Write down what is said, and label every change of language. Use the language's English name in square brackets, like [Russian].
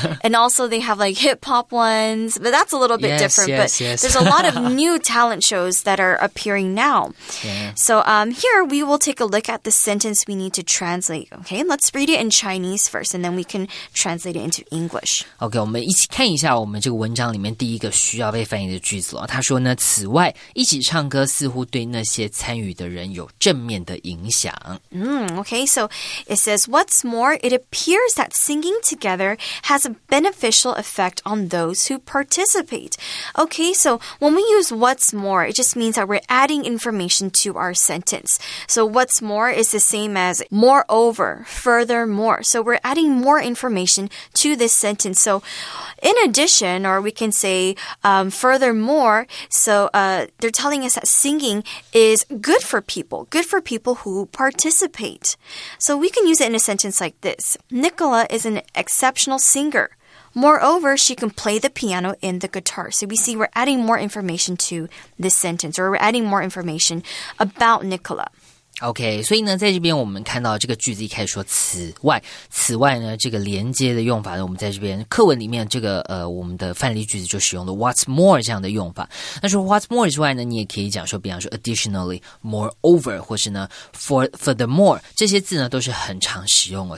[English] and also they have, like, hip-hop ones, but that's a little bit different. Yes, yes, yes. there's a lot of new talent shows that are appearing now. Yeah. So、here we will take a look at the sentence we need to translate. Okay, let's read it in Chinese first, and then we can translate it into English. [Chinese] Okay, 我们一起看一下我们这个文章里面第一个需要被翻译的句子了。他说呢，此外，一起唱歌似乎对那些参与的人有正面的影响。 [English] Okay, so it says, what's more, it appears that singing together has a beneficial effect on those who participate. Okay, so when we use what's more, it just means that we're adding information to our sentence. So what's more is the same. As moreover, furthermore. So we're adding more information to this sentence. So in addition, or we can say、furthermore, so、they're telling us that singing is good for people who participate. So we can use it in a sentence like this. Nicola is an exceptional singer. Moreover, she can play the piano and the guitar. So we see we're adding more information to this sentence, or we're adding more information about Nicola. [Chinese] OK， 所以呢，在这边我们看到这个句子一开始说此外，此外呢，这个连接的用法呢，我们在这边课文里面这个我们的范例句子就使用了 what's more 这样的用法。那说 what's more 之外呢，你也可以讲说，比方说 additionally, moreover, 或是呢 furthermore, 这些字呢都是很常使用的。